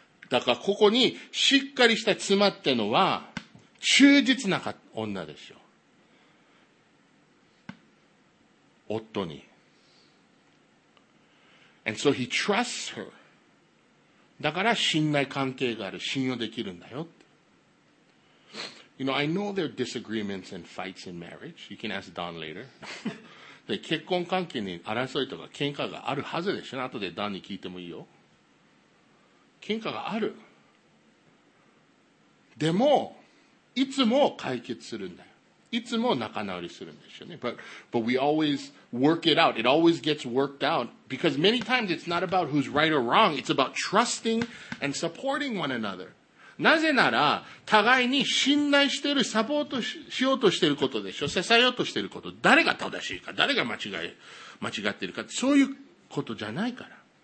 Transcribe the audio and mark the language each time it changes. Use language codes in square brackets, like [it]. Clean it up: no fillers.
[ja] だからここにしっかりした妻ってのは、忠実な女ですよ。夫に。 [en] And so he trusts her. [ja] だから信頼関係がある、信用できるんだよ。 [en] You know, I know there are disagreements and fights in marriage. You can ask Don later. [ja] で、結婚関係に争いとか喧嘩があるはずでしょ。後でDonに聞いてもいいよ。喧嘩がある。でも、いつも解決するんだよ。いつも仲直りするんですよね。 [en] But we always work it out. It always gets worked out. Because many times it's not about who's right or wrong. It's about trusting and supporting one another. [ja] なぜなら、互いに信頼してる、サポートしようとしてることでしょ。支えようとしてること。誰が正しいか、誰が間違ってるか、そういうことじゃないから。